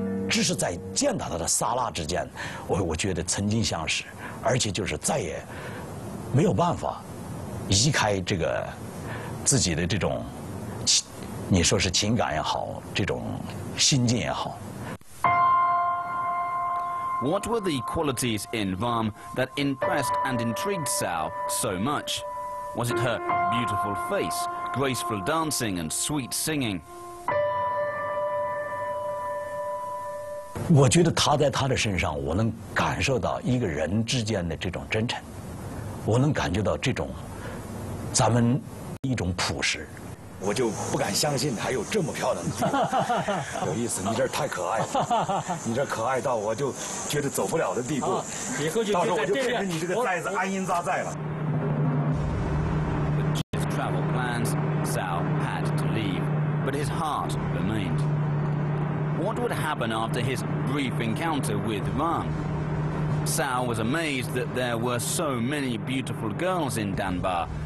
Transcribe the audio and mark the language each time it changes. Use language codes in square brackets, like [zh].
[zh] Just 在见到他的刹那之间，我觉得曾经相识，而且就是再也没有办法移开这个自己的这种，你说是情感也好，这种心境也好。 [en] What were the qualities in Vam that impressed and intrigued Cao so much? Was it her beautiful face, graceful dancing, and sweet singing? [zh] 我觉得他在他的身上，我能感受到一个人之间的这种真诚，我能感觉到这种咱们一种朴实。我就不敢相信还有这么漂亮的，有意思，你这太可爱了，你这可爱到我就觉得走不了的地步，以后就到时候我就变成你这个寨子安阴扎寨了。 [en] With his travel plans, Cao had to leave, but his heart remained. What would happen after his brief encounter with Wang? Cao was amazed that there were so many beautiful girls in Danbar.